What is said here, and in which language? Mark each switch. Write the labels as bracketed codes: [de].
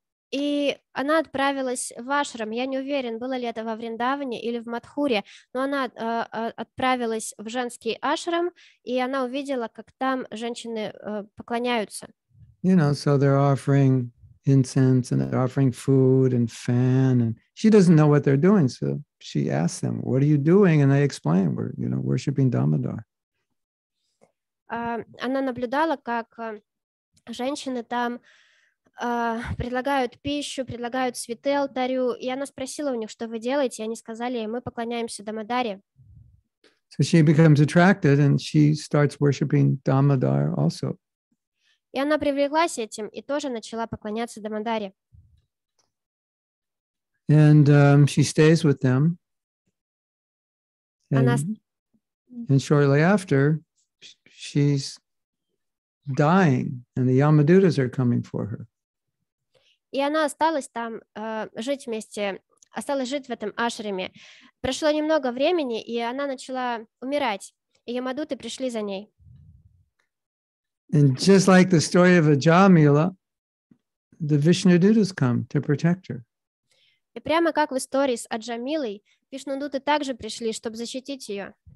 [ru] И она отправилась в ашрам. Я не уверен, было ли это во Вриндаване или в Матхуре, но она отправилась в женский ашрам, и она увидела, как там женщины поклоняются. [en] You know, so they're offering incense and they're offering food and fan, and she doesn't know what they're doing, so she asks them, what are you doing? And they explain, we're, you know, worshiping Damodar. [ru] Она наблюдала, как женщины там предлагают пищу, предлагают цветы алтарю, и она спросила у них, что вы делаете, и они сказали, мы поклоняемся Дамодаре. [en] So she becomes attracted and she starts worshiping Damodar also. [ru] И она привлеклась этим и тоже начала поклоняться Дамодаре. [en] And she stays with them. And shortly after, she's dying, and the Yamadutas are coming for her. [ru] И она осталась там жить вместе, осталась жить в этом ашраме. Прошло немного времени, и она начала умирать, и Ямадуты пришли за ней. [en] And just like the story of Ajamila, the Vishnudutas come to protect her. [ru] И прямо как в истории с Аджамилой, Вишнудуты также пришли, чтобы защитить ее.